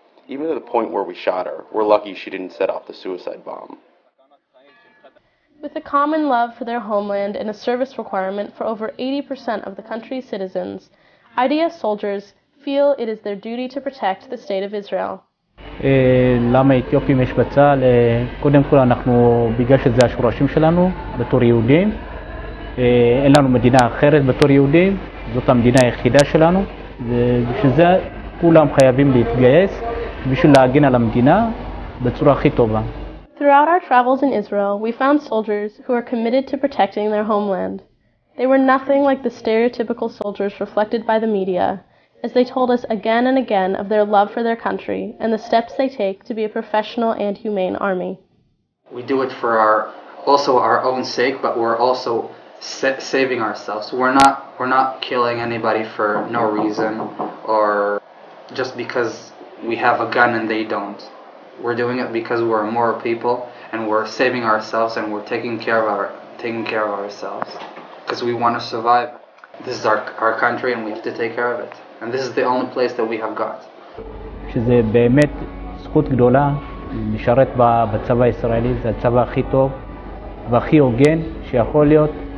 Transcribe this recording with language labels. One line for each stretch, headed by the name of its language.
English: Even to the point where we shot her, we're lucky she didn't set off the suicide bomb. With a common love for their homeland and a service requirement for over 80% of the country's citizens, IDF soldiers feel it is their duty to protect the state of Israel.
Hebrew: למה אתיופים יש בצהל? קודם כל אנחנו, בגלל שזה השורשים שלנו, בתור יהודים, אין לנו מדינה אחרת בתור יהודים, זאת המדינה היחידה שלנו, ובשביל זה כולם חייבים להתגייס בשביל להגן על המדינה בצורה הכי טובה.
English: Throughout our travels in Israel, we found soldiers who are committed to protecting their homeland. They were nothing like the stereotypical soldiers reflected by the media, as they told us again and again of their love for their country and the steps they take to be a professional and humane army. We do it for our own sake, but we're also saving ourselves. We're not killing anybody for no reason or just because we have a gun and they don't. We're doing it because we're a moral people and we're saving ourselves and we're taking care of ourselves because we want to survive. This is our country and we have to take care of it. And this is the only place that we have got.
Hebrew: שזה באמת זכות גדולה לשרת בצבא הישראלי, זה הצבא הכי טוב והכי הוגן שיכול להיות.